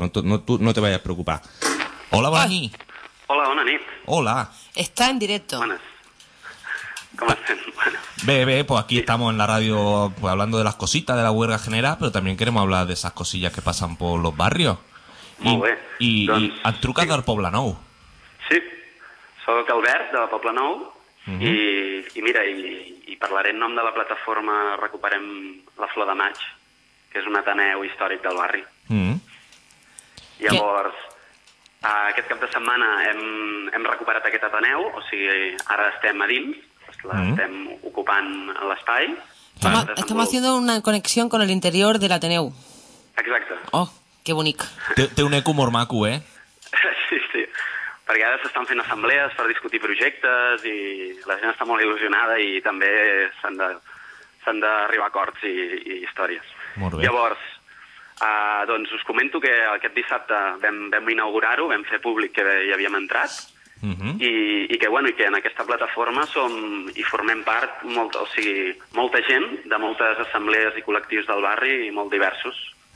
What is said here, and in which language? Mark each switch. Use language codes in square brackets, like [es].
[es] No te vayas a preocupar. Hola, Bonani. Hola, Bonani. Hola. Está en directo. ¿Cómo estás? Bebé, pues aquí estamos en la radio, pues, hablando de las cositas de la huelga general, pero también queremos hablar de esas cosillas que pasan por los barrios. [ca] I et truques del Poblenou. Sí, soc Albert, de la Poblenou, i mira, i parlaré en nom de la plataforma Recuperem la Flor de Maig, que és un ateneu històric del barri. Llavors, aquest cap de setmana hem recuperat aquest ateneu, o sigui, ara estem a dins, estem ocupant l'espai. Estem [es] haciendo [ca] una connexió [es] con el interior [ca] de l'ateneu. Exacte. Oh, que bonic. Té un eco molt maco, eh? Sí, sí. Perquè ara s'estan fent assemblees per discutir projectes i la gent està molt il·lusionada i també s'han de arribar a acords i històries. Molt bé. Llavors, doncs us comento que aquest dissabte vam inaugurar-ho, vam fer públic que hi havíem entrat, i que en aquesta plataforma formem part molta gent de moltes assemblees i col·lectius del barri, i molt diversos.